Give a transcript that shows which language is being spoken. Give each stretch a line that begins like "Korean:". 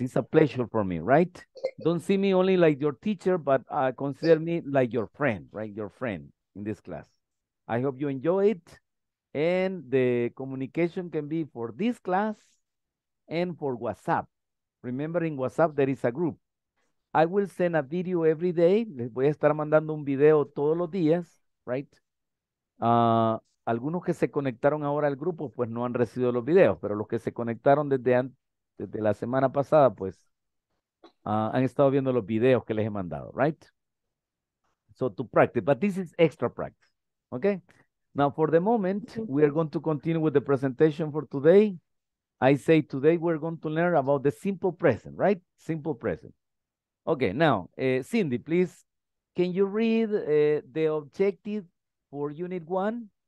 English: It's a pleasure for me, right? Don't see me only like your teacher, but consider me like your friend, right? Your friend in this class. I hope you enjoy it. And the communication can be for this class and for WhatsApp. Remember, in WhatsApp, there is a group. I will send a video every day.
Spanish: Les voy a estar mandando un video todos los días,
English: right?
Spanish: Algunos que se conectaron ahora al grupo, pues no han recibido los videos, pero los que se conectaron desde la semana pasada, pues han estado viendo los videos que les he mandado,
English: right? So to practice, but this is extra practice, okay? Now for the moment, we are going to continue with the presentation for today. I say today we're going to learn about the simple present, right? Simple present. Okay, now, Cindy, please, can you read the objective for Unit 1?